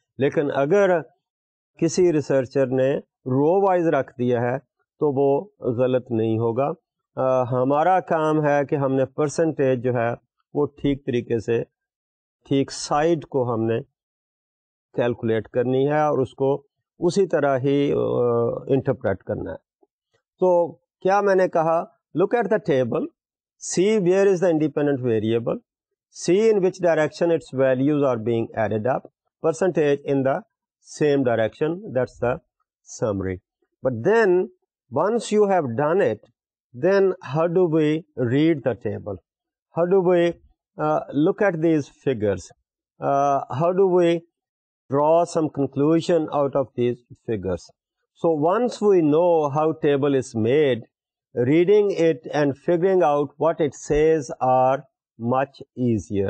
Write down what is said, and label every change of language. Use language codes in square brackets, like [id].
[ur] لیکن اگر کسی ریسرچر نے رو وائز رکھ دیا ہے تو وہ غلط نہیں ہوگا. ہمارا کام ہے کہ ہم نے پرسنٹیج جو ہے وہ ٹھیک طریقے سے ٹھیک سائڈ کو ہم نے کیلکولیٹ کرنی ہے اور اس کو اسی طرح ہی انٹرپریٹ کرنا ہے. تو کیا میں نے کہا, [en] Look at the table, see where is the independent variable, see in which direction its values are being added up, percentage in the same direction, that's the summary. But then once you have done it, then how do we read the table, how do we look at these figures, how do we draw some conclusion out of these figures. So once we know how table is made, reading it and figuring out what it says are much easier.